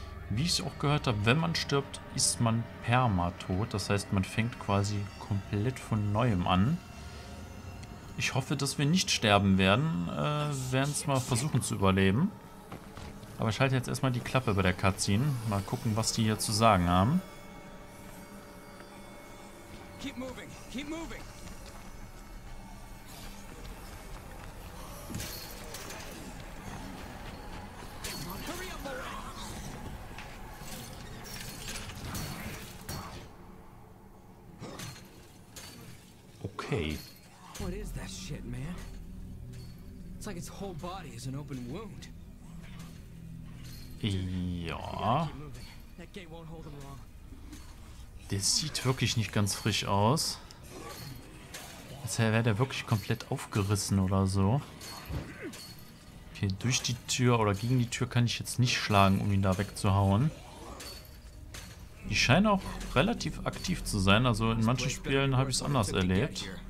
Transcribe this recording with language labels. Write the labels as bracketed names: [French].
[German] Wie ich es auch gehört habe, wenn man stirbt, ist man permatot. Das heißt, man fängt quasi komplett von Neuem an. Ich hoffe, dass wir nicht sterben werden. Werden es mal versuchen zu überleben. Aber ich halte jetzt erstmal die Klappe bei der Cutscene. Mal gucken, was die hier zu sagen haben. [English] Keep moving, keep moving. Okay. What is that shit, man? It's like its whole body is an open wound. Ja. That gate won't hold them long. [German] Der sieht wirklich nicht ganz frisch aus. Als wäre der wirklich komplett aufgerissen oder so. Okay, durch die Tür oder gegen die Tür kann ich jetzt nicht schlagen, um ihn da wegzuhauen. Die scheinen auch relativ aktiv zu sein. Also in manchen Spielen habe ich es anders erlebt.